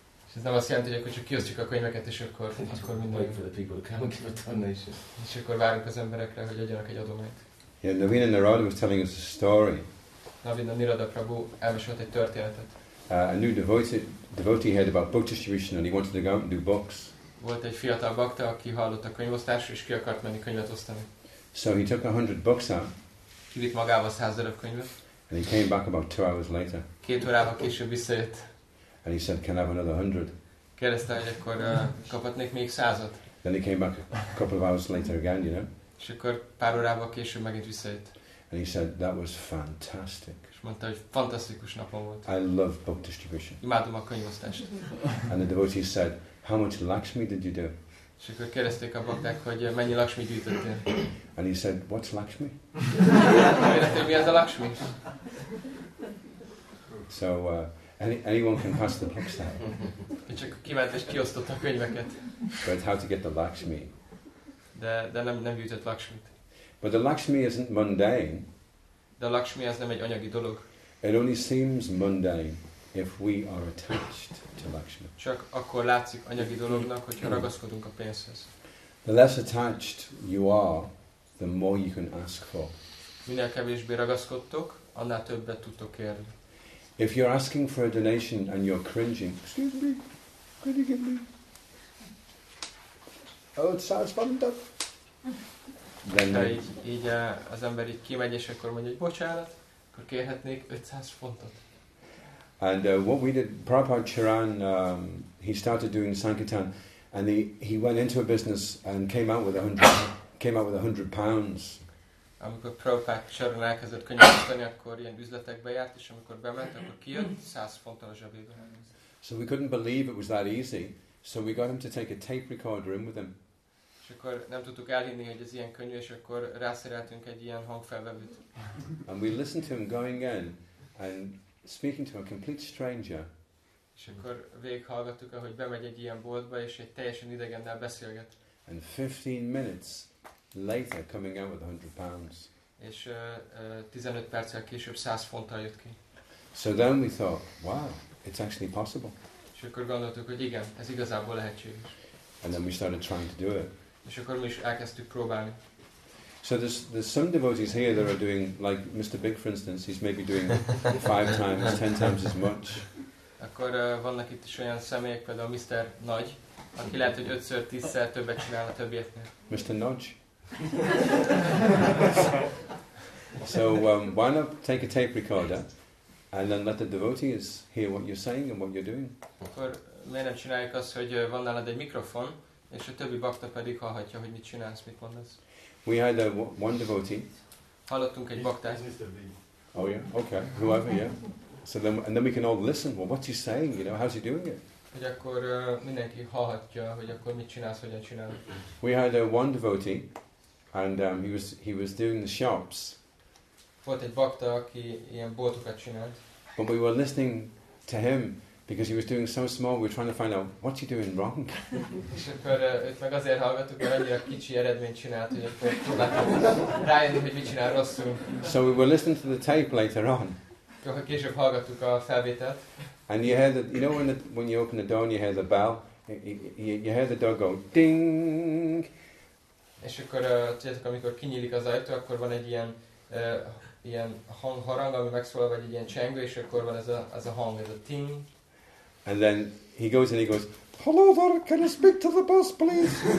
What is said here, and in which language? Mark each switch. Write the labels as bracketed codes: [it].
[hu] És ez nem azt jelenti, hogy akkor csak kiosztjuk a könyveket, és akkor minden... [en] Wait for the people to come and give a donation. [hu] És akkor várunk az emberekre, hogy adjanak egy adományt. [en] Yeah, Navina Narada was telling us a story. [hu] Navina Narada Prabhu elmesélt egy történetet. [en] A new devotee heard about book distribution and he wanted to go out and do books. [hu] Volt egy fiatal bakta, aki hallott a könyvosztásra, és ki akart menni könyvet osztani. [en] So he took 100 books out. [hu] Kivitt magával 100 darab könyvet. [en] And he came back about 2 hours later. [hu] Két órával később visszajött. [en] And he said, can I have another 100? [hu] Kérdezte, hogy akkor kaphatnék még 100-at. [en] Then he came back a couple of hours later again, you know. [hu] És akkor pár órával később megint visszajött. [en] And he said, that was fantastic. [hu] Mondta, hogy fantasztikus napom volt. [en] I love book distribution. [hu] Imádom a könyvosztást. [en] And the devotee said, how much Lakshmi did you do? [hu] És akkor kérdezték a bakták, hogy mennyi Lakshmi gyűjtöttél. [en] And he said, what's Lakshmi? [hu] Kérdezték, mi az a Lakshmi? [en] So, anyone can pass the books down. [hu] Én csak kiment és kiosztott a könyveket. [en] But how to get the Lakshmi? [hu] De nem gyűjtött Lakshmit. [en] But the Lakshmi isn't mundane. [hu] De a Lakshmi az nem egy anyagi dolog. [en] It only seems mundane if we are attached to Lakshmi. [hu] Csak akkor látszik anyagi dolognak, hogyha ragaszkodunk a pénzhez. [en] The less attached you are, the more you can ask for. [hu] Minél kevésbé ragaszkodtok, annál többet tudtok kérni. [en] If you're asking for a donation and you're cringing, excuse me, could you give me? Oh, it sounds wonderful. [hu] Így az ember így kimegy, és akkor mondja, hogy bocsánat, akkor kérhetnék 500 fontot. [en] And what we did, Prabhupada Charan, he started doing Sankirtan, and he went into a business and came out with 100 pounds. [hu] Amikor Prabhupada Charan elkezdett könyvosztani, akkor ilyen üzletekbe járt, és amikor bement, akkor kijött 100 fonttal a zsebében. [en] So we couldn't believe it was that easy, so we got him to take a tape recorder in with him. [hu] És akkor nem tudtuk elhinni, hogy ez ilyen könnyű, és akkor rászereltünk egy ilyen hangfelvevőt. [en] And we listened to him going in and speaking to a complete stranger. [hu] És akkor végighallgattuk, ahogy bemegy egy ilyen boltba, és egy teljesen idegennel beszélget. [en] And 15 minutes later coming out with 100 pounds. [hu] És 15 perccel később 100 fonttal jött ki. [en] So then we thought, wow, it's actually possible. [hu] És akkor gondoltuk, hogy igen, ez igazából lehetséges. [en] And then we started trying to do it. [hu] És akkor mi is elkezdtük próbálni. [en] So there's some devotees here that are doing, like Mr. Big, for instance, he's maybe doing 5 times, 10 times as much. [hu] Akkor vannak itt is olyan személyek, például Mr. Nagy, aki lehet, hogy 5-10-szer többet csinál a többieknél. Mr. Nagy? [en] So why not take a tape recorder and then let the devotees hear what you're saying and what you're doing? [hu] Akkor miért nem csináljuk azt, hogy van nálad egy mikrofon, és a többi bakta pedig hallhatja, hogy mit csinálsz, mit mondasz. [en] We had one devotee. [hu] Hallottunk egy baktát. [en] Mr. B. Oh yeah, okay, whoever, yeah. So then, and then we can all listen. Well, what's he saying? You know, how's he doing it? [hu] Hogy akkor mindenki hallhatja, hogy akkor mit csinálsz, hogyan csinálod. [en] We had one devotee, and he was doing the shops. [hu] Volt egy bakta, aki ilyen boltokat csinált. [en] But we were listening to him because he was doing so small. We were trying to find out what's he doing wrong. [hu] És akkor őt meg azért hallgattuk, mert annyira kicsi eredményt csinált, hogy akkor próbáltuk rájönni, hogy mit csinál rosszul. [en] So we were listening to the tape later on. [hu] Akkor később hallgattuk a felvételt. [en] And you hear that, you know, when you open the door and you hear the bell, you hear the door go ding. [hu] És akkor tudjátok, amikor kinyílik az ajtó, akkor van egy ilyen ilyen hangharang, ami megszólal, vagy egy ilyen csengő, és akkor van ez a hang, ez a ting. [en] And then he goes and he goes, hello there, can I speak to the boss, please?